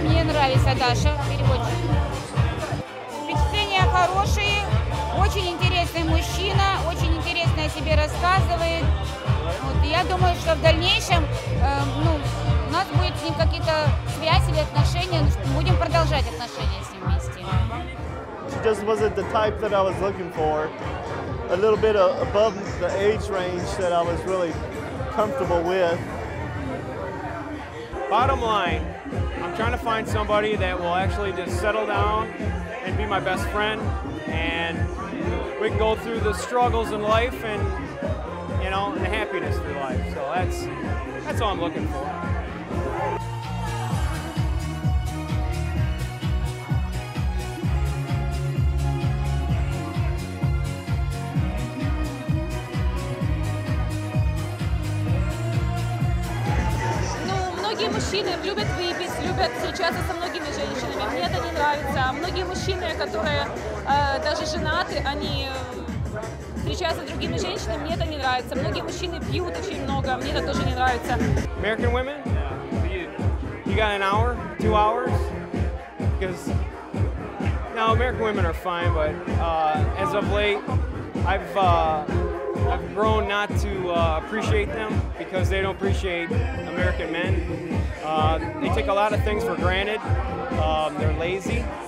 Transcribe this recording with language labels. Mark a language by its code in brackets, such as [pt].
[ru] Мне нравится Даша, переводчик. Впечатления хорошие, очень интересный мужчина, очень интересно о себе рассказывает. Я думаю, что в дальнейшем ну, у нас будет с ним какие-то связи или отношения, будем продолжать отношения с ним вместе. [en] She just wasn't the type that I was looking for. A little bit above the age range that I was really comfortable with. Bottom line, I'm trying to find somebody that will actually just settle down and be my best friend, and we can go through the struggles in life and you know, and happiness through life. So that's all I'm looking for. [ru] Ну, многие мужчины любят выпить, любят встречаться со многими женщинами. Мне это не нравится. Многие мужчины, которые даже женаты, они встречаться с другими женщинами, мне это не нравится. Многие мужчины пьют очень много, мне это тоже не нравится. [en] American women? You got an hour? 2 hours? Because, no, American women are fine, but as of late, I've grown not to appreciate them because they don't appreciate American men. They take a lot of things for granted. They're lazy.